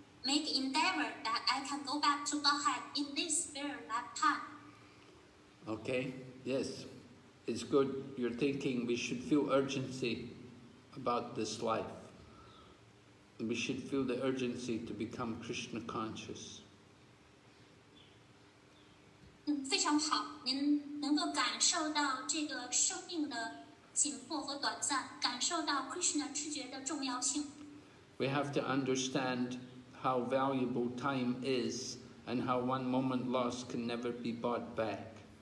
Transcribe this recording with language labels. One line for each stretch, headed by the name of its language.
English: Make endeavor that I can go back to Godhead in this very lifetime. Okay, yes, it's good. You're thinking we should feel urgency about this life. We should feel the urgency to become Krishna conscious.
Chinese: 非常好，您能够感受到这个生命的紧迫和短暂，感受到 Krishna 知觉的重要性。
English: We have to understand. How valuable time is, and how one moment lost can never be bought back.